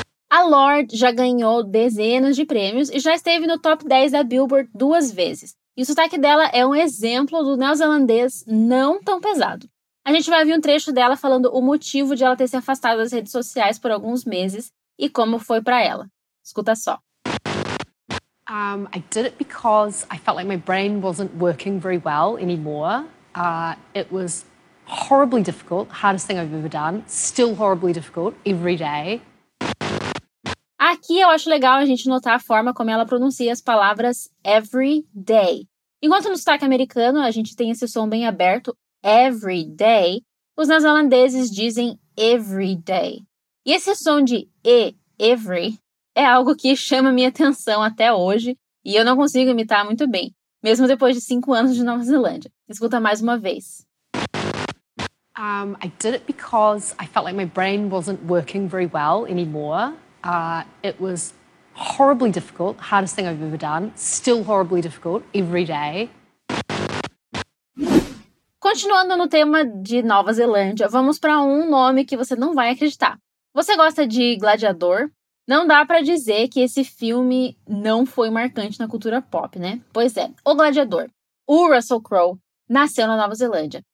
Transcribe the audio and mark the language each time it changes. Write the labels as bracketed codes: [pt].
[pt] A Lorde já ganhou dezenas de prêmios e já esteve no top 10 da Billboard 2 vezes. E o sotaque dela é um exemplo do neozelandês não tão pesado. A gente vai ouvir um trecho dela falando o motivo de ela ter se afastado das redes sociais por alguns meses e como foi pra ela. Escuta só. [en] I did it because I felt like my brain wasn't working very well anymore. It was horribly difficult, hardest thing I've ever done. Still horribly difficult every day. [pt] Aqui eu acho legal a gente notar a forma como ela pronuncia as palavras every day. Enquanto no sotaque americano a gente tem esse som bem aberto, every day, os neozelandeses dizem every day. E esse som de e, every, é algo que chama minha atenção até hoje e eu não consigo imitar muito bem, mesmo depois de 5 anos de Nova Zelândia. Escuta mais uma vez. [en] I did it because I felt like my brain wasn't working very well anymore. It was horribly difficult, hardest thing I've ever done, still horribly difficult, every day. [pt] Continuando no tema de Nova Zelândia, vamos para um nome que você não vai acreditar. Você gosta de Gladiador? Não dá para dizer que esse filme não foi marcante na cultura pop, né? Pois é, o Gladiador, o Russell Crowe, nasceu na Nova Zelândia.